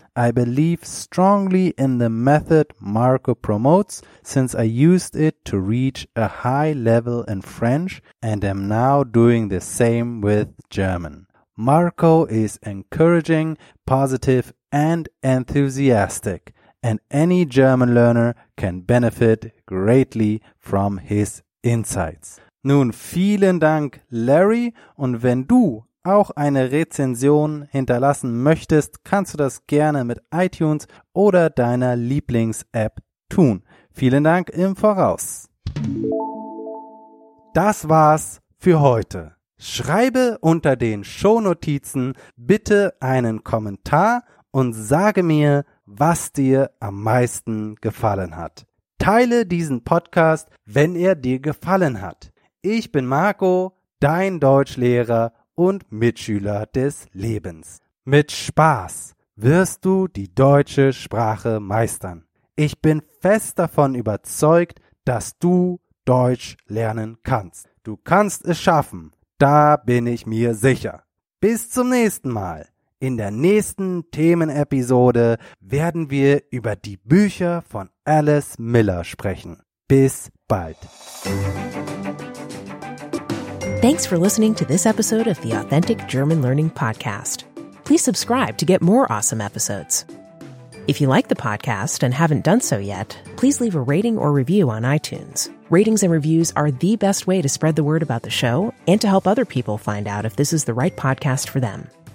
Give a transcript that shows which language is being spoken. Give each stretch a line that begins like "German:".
English: I believe strongly in the method Marco promotes, since I used it to reach a high level in French and am now doing the same with German. Marco is encouraging, positive, and enthusiastic, and any German learner can benefit greatly from his insights.
German: Nun vielen Dank, Larry, und wenn du auch eine Rezension hinterlassen möchtest, kannst du das gerne mit iTunes oder deiner Lieblings-App tun. Vielen Dank im Voraus. Das war's für heute. Schreibe unter den Shownotizen bitte einen Kommentar und sage mir, was dir am meisten gefallen hat. Teile diesen Podcast, wenn er dir gefallen hat. Ich bin Marco, dein Deutschlehrer und Mitschüler des Lebens. Mit Spaß wirst du die deutsche Sprache meistern. Ich bin fest davon überzeugt, dass du Deutsch lernen kannst. Du kannst es schaffen, da bin ich mir sicher. Bis zum nächsten Mal. In der nächsten Themenepisode werden wir über die Bücher von Alice Miller sprechen. Bis bald.
English: Thanks for listening to this episode of the Authentic German Learning Podcast. Please subscribe to get more awesome episodes. If you like the podcast and haven't done so yet, please leave a rating or review on iTunes. Ratings and reviews are the best way to spread the word about the show and to help other people find out if this is the right podcast for them.